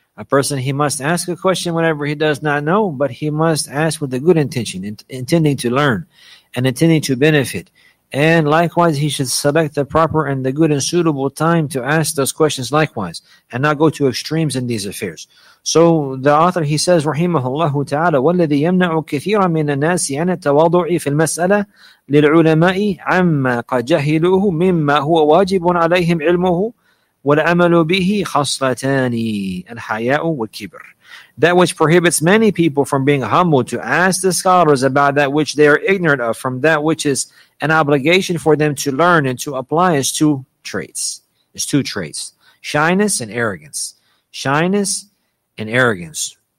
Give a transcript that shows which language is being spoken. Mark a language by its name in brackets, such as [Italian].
[English] A person, he must ask a question whenever he does not know, but he must ask with a good intention, intending to learn and intending to benefit. And likewise, he should select the proper and the good and suitable time to ask those questions likewise and not go to extremes in these affairs. So the author, he says, [Arabic] رحمه ta'ala, وَالَّذِي يَمْنَعُ كَثِيرًا مِنَ النَّاسِ عَنَ التَّوَاضُعِ فِي الْمَسْأَلَةِ لِلْعُلَمَاءِ عَمَّا قَجَهِلُهُ مِمَّا هُوَ وَاجِبٌ عَلَيْهِمْ عِلْمُهُ والعمل به خصلتان الحياء والكبر. [English] That which prohibits many people from being humble to ask the scholars about that which they are ignorant of, from that which is an obligation for them to learn and to apply is two traits. It's two traits, shyness and arrogance. Shyness and arrogance.